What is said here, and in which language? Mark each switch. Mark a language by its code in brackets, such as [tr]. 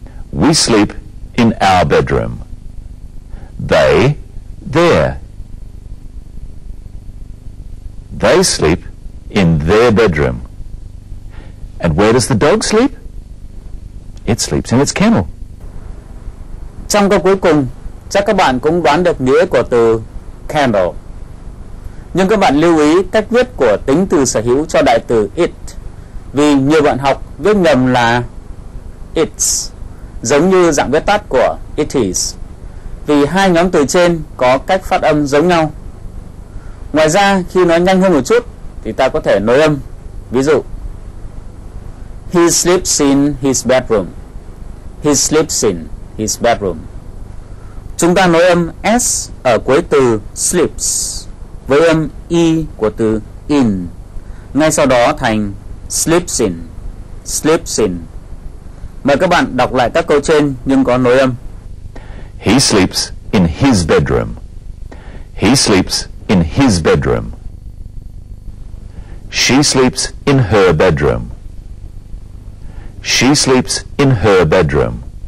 [en] We sleep in our bedroom. They, their. They sleep in their bedroom. And where does the dog sleep? It sleeps in its kennel. [vi] Trong câu cuối cùng, chắc các bạn cũng đoán được nghĩa của từ kennel. Nhưng các bạn lưu ý cách viết của tính từ sở hữu cho đại từ it. Vì nhiều bạn học viết nhầm là it's. Giống như dạng viết tắt của it is. Vì hai nhóm từ trên có cách phát âm giống nhau. Ngoài ra khi nói nhanh hơn một chút thì ta có thể nối âm. Ví dụ: [en] He sleeps in his bedroom. He sleeps in his bedroom. [vi] Chúng ta nối âm S ở cuối từ sleeps với âm E của từ in, ngay sau đó thành [en] sleeps in. Sleeps in. [vi] Mời các bạn đọc lại các câu trên nhưng có nối âm. [en] He sleeps in his bedroom. He sleeps in his bedroom. She sleeps in her bedroom. She sleeps in her bedroom.